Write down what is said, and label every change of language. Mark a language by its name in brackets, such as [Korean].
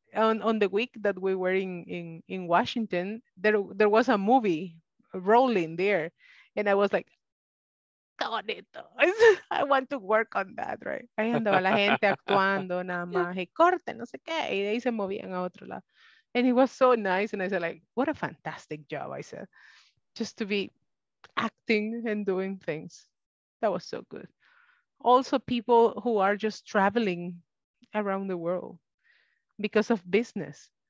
[English] On the week that we were in Washington, there was a movie rolling there, and I was like, God, I want to work on that, right? [Spanish] Ahí andaba la gente actuando, nada más, y corte, no sé qué, y de ahí se movían a otro lado. [English] And it was so nice, and I said, like, what a fantastic job, I said, just to be acting and doing things. That was so good. Also, people who are just traveling around the world because of business.